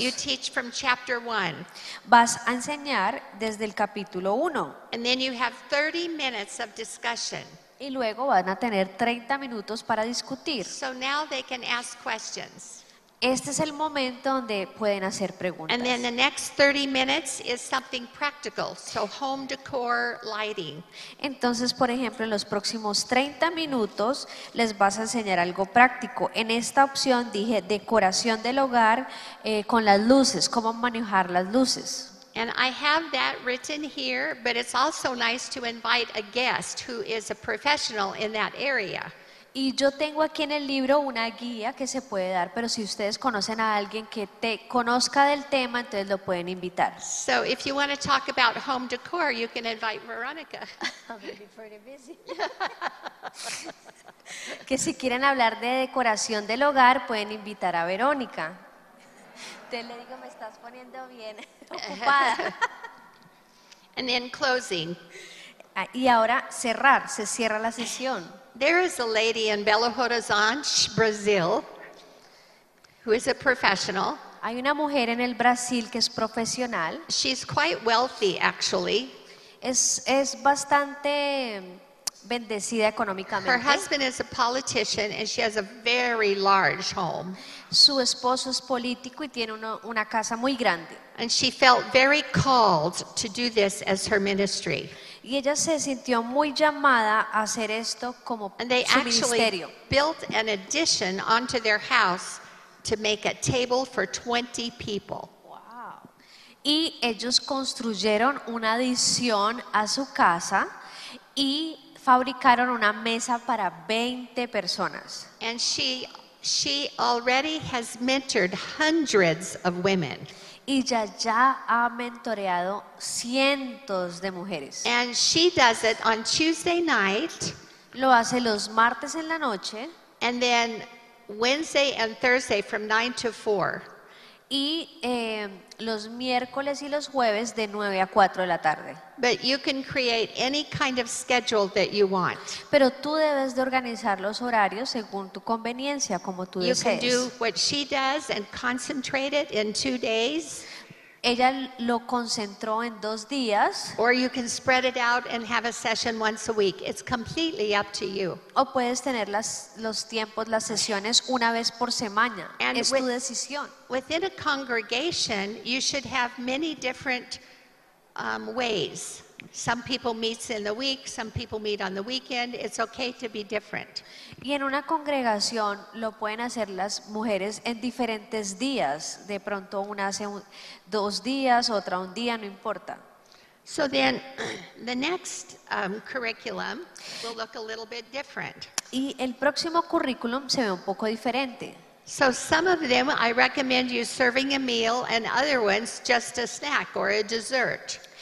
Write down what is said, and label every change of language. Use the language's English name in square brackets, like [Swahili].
[English] You teach from chapter 1. [Spanish] Vas a enseñar desde el capítulo 1. [English] And then you have 30 minutes of discussion. [Spanish] Y luego van a tener 30 minutos para discutir. [English] So now they can ask questions. [Spanish] Este es el momento donde pueden hacer preguntas. [English] And then the next 30 minutes is something practical, so home decor, lighting. [Spanish] Entonces, por ejemplo, en los próximos 30 minutos les vas a enseñar algo práctico. En esta opción dije decoración del hogar con las luces, cómo manejar las luces. [English] And I have that written here, but it's also nice to invite a guest who is a professional in that area. [Spanish] Y yo tengo aquí en el libro una guía que se puede dar, pero si ustedes conocen a alguien que te conozca del tema, entonces lo pueden invitar. [English] So if you want to talk about home decor, you can invite Veronica. I'm pretty busy. [Spanish] que si quieren hablar de decoración del hogar, pueden invitar a Verónica. Te le digo, me estás poniendo bien ocupada. [English] And in closing. [Spanish] Y ahora cerrar, se cierra la sesión. [English] There is a lady in Belo Horizonte, Brazil, who is a professional. [Spanish] Hay una mujer en el Brasil que es profesional. [English] She's quite wealthy, actually. [Spanish] Es bastante bendecida económicamente. [English] Her husband is a politician and she has a very large home. [Spanish] Su esposo es político y tiene una casa muy grande. [English] And she felt very called to do this as her ministry. [Spanish] Y ella se sintió muy llamada a hacer esto como su ministerio. [English] And they actually built an addition onto their house to make a table for 20 people. Wow. [Spanish] Y ellos construyeron una adición a su casa y fabricaron una mesa para 20 personas. [English] And she already has mentored hundreds of women. [Spanish] Y ya ha mentoreado cientos de mujeres. [English] And she does it on Tuesday night. [Spanish] Lo hace los martes en la noche. [English] And then Wednesday and Thursday from 9 to 4. [Spanish] Y los miércoles y los jueves de 9 a 4 de la tarde. [English] But you can create any kind of schedule that you want. [Spanish] Pero tú debes de organizar los horarios según tu conveniencia, como tú [English] you [Spanish] desees. [English] You can do what she does and concentrate it in 2 days. [Spanish] Ella lo concentró en 2 días. [English] Or you can spread it out and have a session once a week. It's completely up to you. [Spanish] O puedes tener los tiempos, las sesiones una vez por semana. [English] And [Spanish] es tu decisión. [English] Within a congregation, you should have many different ways. Some people meet in the week, some people meet on the weekend. It's okay to be different. [Spanish] Y en una congregación lo pueden hacer las mujeres en diferentes días. De pronto una hace 2 días, otra un día, no importa. [English] So then the next curriculum will look a little bit different. [Spanish] Y el próximo currículum se ve un poco diferente. [English] So some of them I recommend you serving a meal and other ones just a snack or a dessert.